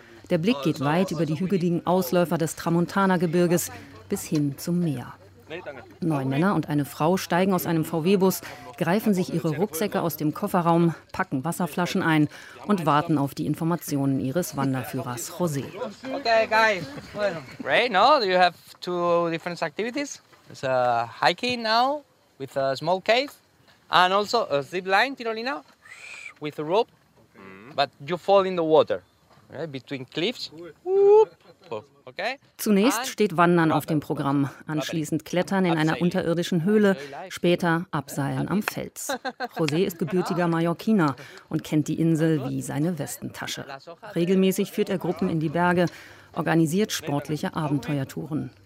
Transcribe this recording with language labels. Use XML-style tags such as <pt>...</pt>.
<de>Der Blick geht weit über die hügeligen Ausläufer des Tramuntana-Gebirges bis hin zum Meer. Neun Männer und eine Frau steigen aus einem VW-Bus, greifen sich ihre Rucksäcke aus dem Kofferraum, packen Wasserflaschen ein und warten auf die Informationen ihres Wanderführers José.</de> <en>Okay, guys. Right now, you have two different activities. It's a hiking now with a small cave and also a zip line, Tirolina, with a rope, but you fall in the water, right? Between cliffs. Whoop. Okay.</en> <de>Zunächst steht Wandern auf dem Programm, anschließend Klettern in einer unterirdischen Höhle, später Abseilen am Fels. José ist gebürtiger Mallorquiner und kennt die Insel wie seine Westentasche. Regelmäßig führt er Gruppen in die Berge, organisiert sportliche Abenteuertouren.</de>